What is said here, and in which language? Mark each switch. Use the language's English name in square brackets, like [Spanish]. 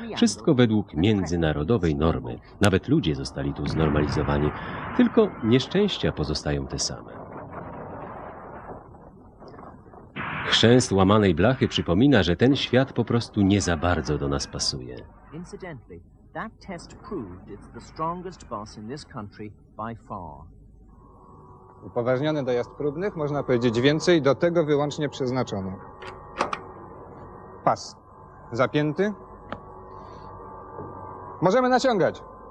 [Polish] Wszystko według międzynarodowej normy. Nawet ludzie zostali tu znormalizowani. Tylko nieszczęścia pozostają te same. Chrzęst łamanej blachy przypomina, że ten świat po prostu nie za bardzo do nas pasuje. [English] That test proved it's the strongest boss in this country by far. [Polish] Upoważniony do jazd próbnych, można powiedzieć więcej, do tego wyłącznie przeznaczony. Pas. Zapięty. Możemy naciągać.